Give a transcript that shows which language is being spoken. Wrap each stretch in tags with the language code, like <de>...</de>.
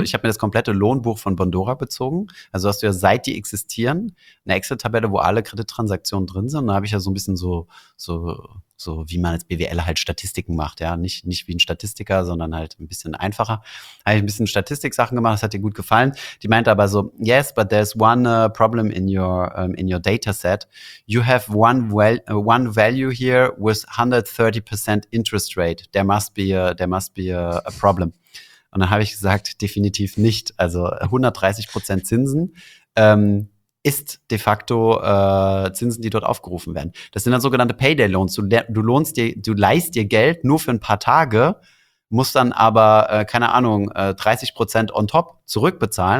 <de>Ich habe mir das komplette Lohnbuch von Bondora bezogen. Also hast du ja, seit die existieren, eine Excel-Tabelle, wo alle Kredittransaktionen drin sind. Und da habe ich ja so ein bisschen so wie man als BWL halt Statistiken macht, ja. Nicht wie ein Statistiker, sondern halt ein bisschen einfacher. Habe ich ein bisschen Statistik-Sachen gemacht, das hat dir gut gefallen. Die meinte aber so,</de> <en>yes, but there's one problem in your data set. You have one value here with 130% interest rate. There must be a problem.</en> <de>Und dann habe ich gesagt, definitiv nicht. Also 130% Zinsen, ist de facto Zinsen, die dort aufgerufen werden. Das sind dann sogenannte Payday-Loans. Du leihst dir Geld nur für ein paar Tage, musst dann aber, 30% on top zurückbezahlen.</de>